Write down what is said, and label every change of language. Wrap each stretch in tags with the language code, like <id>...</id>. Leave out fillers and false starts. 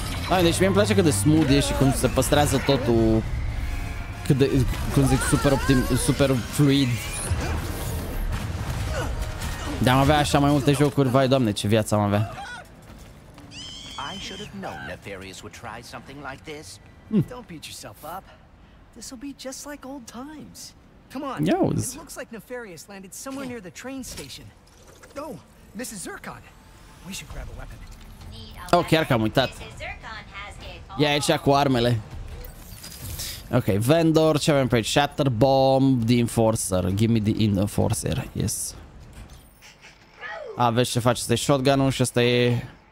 <ro>A, deci mie îmi place cât de smooth e și cum se păstrează totul. Cât de, cum zic, super fluid. De-am avea așa mai multe jocuri, vai doamne, ce viață am avea.</ro> <en>Should have known Nefarious would try something like this. Don't beat yourself up. This will be just like old times. Come on. Yos. It looks like Nefarious landed somewhere near the train station. No, oh, this is Zircon. We should grab a weapon.</en> <ro>Oh, chiar că am uitat. Ia aici cu armele. Ok, Vendor, ce avem pe aici? Shatter Bomb, The Enforcer.</ro> <en>Give me The Enforcer, yes.</en> <ro>Aveți ce faci, ăsta e shotgun-ul și ăsta e...</ro>